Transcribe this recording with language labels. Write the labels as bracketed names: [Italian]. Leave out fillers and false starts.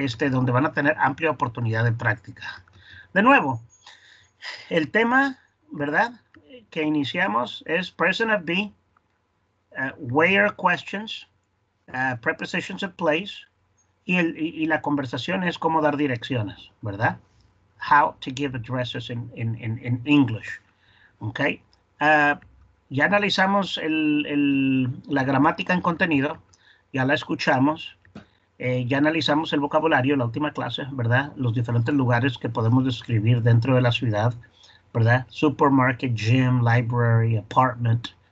[Spanish] Donde van a tener amplia oportunidad de práctica. De nuevo, el tema, ¿verdad? Que iniciamos es [English] present of be, where are questions, prepositions of place, [Spanish] y la conversación es cómo dar direcciones, ¿verdad? [English] How to give addresses in English. [Spanish] ¿Ok? Ya analizamos la gramática en contenido, ya la escuchamos, ya analizamos el vocabulario, la última clase, ¿verdad? Los diferentes lugares que podemos describir dentro de la ciudad, ¿verdad? [English] Supermarket, gym, library, apartment.